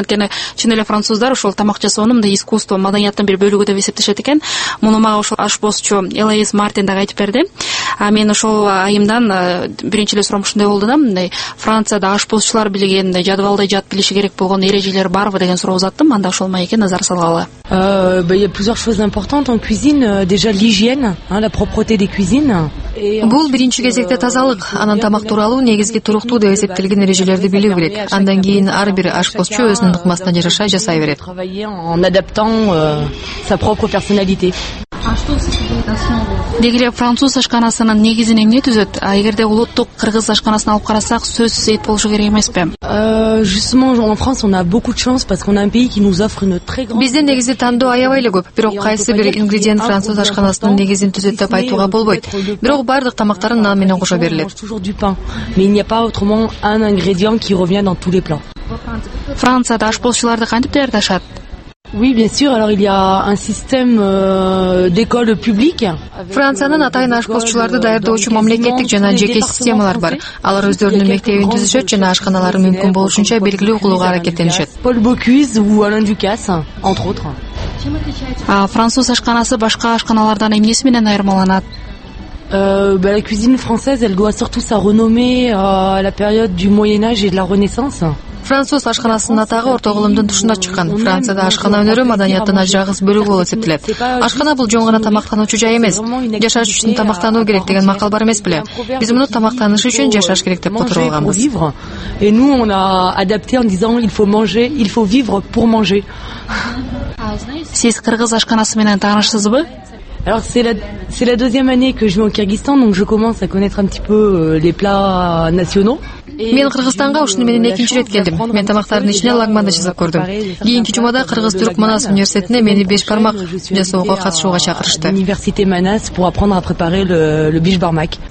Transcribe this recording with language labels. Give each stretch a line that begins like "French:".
Kyrgyz: Анткени чын эле француздар ошол тамак жасоону мындай искусство, маданияттын бир бөлүгү деп эсептешет экен. Муну мага ошол ашпозчу Элоиз Мартин дагы айтып берди. Мен ошол айымдан биринчи эле суроом ушундай болду да, мындай Францияда ашпозчулар билген мындай жадыбалдай жат билиши керек болгон эрежелер барбы деген суроо узаттым. Анда ошол маекке назар салгалы.
French: Plusieurs choses importantes en cuisine, déjà l'hygiène, la propreté des cuisines.
Kyrgyz: Бул биринчи кезекте тазалык, анан тамак тууралуу негизги туруктуу деп эсептелген эрежелерди билүү керек. Андан кийин ар бир ашпозчу өзүнүн ыкмасына жараша жасай берет.
French: En adaptant sa propre personnalité.
Kyrgyz: Деги эле француз ашканасынын негизин эмне түзөт? Эгерде улуттук кыргыз ашканасын алып карасак, сөзсүз эт болушу керек эмеспи?
French: Justement, en France, on a beaucoup de chance parce qu'on a un pays qui nous offre une très grande.
Kyrgyz: Бизде негизи тандоо аябай эле көп, бирок кайсы бир ингредиент француз ашканасынын негизин түзөт деп айтууга болбойт. Бирок бардык тамактарын нан менен кошо берилет.
French: Mais il n'y a pas autrement un ingrédient qui revient dans tous les plats.
Kyrgyz: Францияда ашпозчуларды кантип даярдашат?
French: Oui, bien sûr. Alors, il y a un système d'école publique.
Kyrgyz: Франциянын атайын ашпозчуларды даярдоочу мамлекеттик жана жеке системалар бар. Алар өздөрүнүн мектебин түзүшөт жана ашканаларын мүмкүн болушунча белгилүү кылууга аракеттенишет.
French: Paul Bocuse ou Alain Ducasse, entre autres.
Kyrgyz: Француз ашканасы башка ашканалардан эмнеси менен айырмаланат?
French: La cuisine française, elle doit surtout sa renommée à la période du Moyen Âge et de la Renaissance.
Kyrgyz: Француз ашканасынын атагы орто кылымдын тушунда чыккан. Францияда ашкана өнөрү маданияттын ажырагыс бөлүгү болуп эсептелет. Ашкана бул жөн гана тамактануучу жай эмес. Жашаш үчүн тамактануу керек деген макал бар эмес беле? Биз муну тамактаныш үчүн жашаш керек деп которулганбыз.
French: Et nous on a adapté en disant il faut manger, il faut vivre pour manger.
Kyrgyz: Сиз кыргыз ашканасы менен таанышсызбы?
French: Alors c'est la deuxième année que je vais au Kyrgyzstan, donc je commence à connaître un petit peu les plats nationaux.
Kyrgyz: Мен Кыргызстанга ушуну менен экинчи ирет келдим. Мен тамактардын ичине лагманды жасап көрдүм. Кийинки жумада Кыргыз Түрк Манас университетине мени беш бармак жасоого катышууга чакырышты.
French: Université Manas pour apprendre à préparer le biche barmak.